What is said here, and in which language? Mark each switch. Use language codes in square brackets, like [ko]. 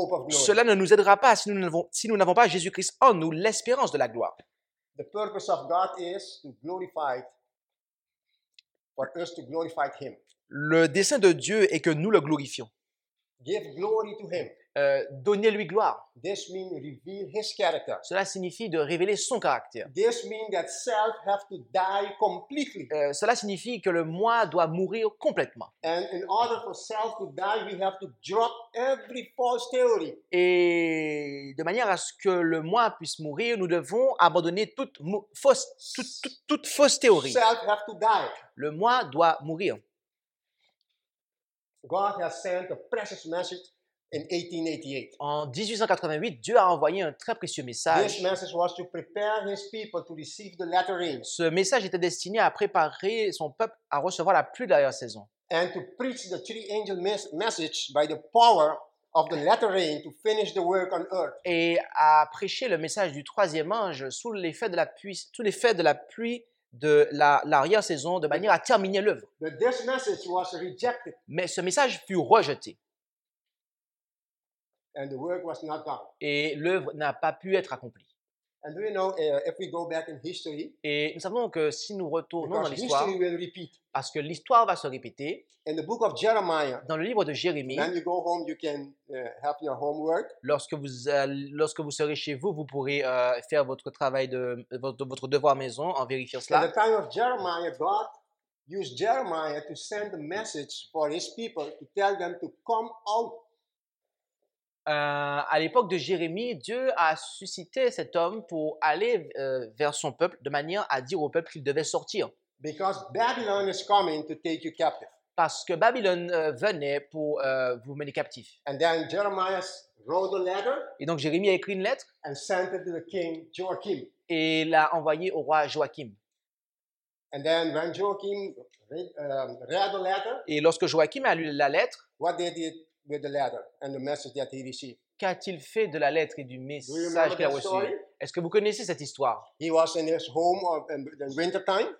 [fr] Cela ne nous aidera pas si nous n'avons pas Jésus-Christ en nous, l'espérance de la gloire. [en] The purpose of God is to glorify. For us to glorify him. [fr] Le dessein de Dieu est que nous le glorifions. [en] Give glory to him. [fr] Donnez-lui gloire. [en] This means reveal his character. [fr] Cela signifie de révéler son caractère. [en] This means that self have to die completely. [fr] Cela signifie que le moi doit mourir complètement. [en] And in order for self to die, we have to drop every false theory. [fr] Et de manière à ce que le moi puisse mourir, nous devons abandonner toute fausse théorie. [en] Self have to die. [fr] Le moi doit mourir. [en] God has sent a precious message. 1888, [fr] Dieu a envoyé un très précieux message. [en] This message was to prepare his people to receive the latter rain. [fr] Ce message était destiné à préparer son peuple à recevoir la pluie de la dernière saison. [en] And to preach the three angel message by the power of the latter rain to finish the work on earth. [fr] Et à prêcher le message du troisième ange sous l'effet de la pluie, sous l'effet de la pluie de la l'arrière saison de manière à terminer l'œuvre. [en] But this message was rejected. [fr] Mais ce message fut rejeté. [en] And the work was not done. [fr] Et l'œuvre n'a pas pu être accomplie. [en] And do you know, if we go back in history, [fr] et nous savons que si nous retournons dans l'histoire, [en] because history will repeat. [fr] Parce que l'histoire va se répéter. [en] In the book of Jeremiah, [fr] dans le livre de Jérémie, [en] when you go home, you can help your homework. [fr] Lorsque vous serez chez vous, vous pourrez faire votre travail de votre devoir à maison en vérifiant cela. [en] In the time of Jeremiah, God used Jeremiah to send a message for his people to tell them to come out. [fr] À l'époque de Jérémie, Dieu a suscité cet homme pour aller vers son peuple de manière à dire au peuple qu'il devait sortir. [en] Because Babylon is coming to take you captive. [fr] Parce que Babylone venait pour vous mener captif. [en] And then Jeremiah wrote a letter. [fr] Et donc Jérémie a écrit une lettre. [en] And sent it to the king Joachim. [fr] Et l'a envoyé au roi Joachim. [en] And then when Joachim read the letter. [fr] Et lorsque Joachim a lu la lettre, [en] what they did with the letter and the message that he received. [fr] Qu'a-t-il fait de la lettre et du message qu'il a reçu? Est-ce que vous connaissez cette histoire? [en] He was in his home in winter time.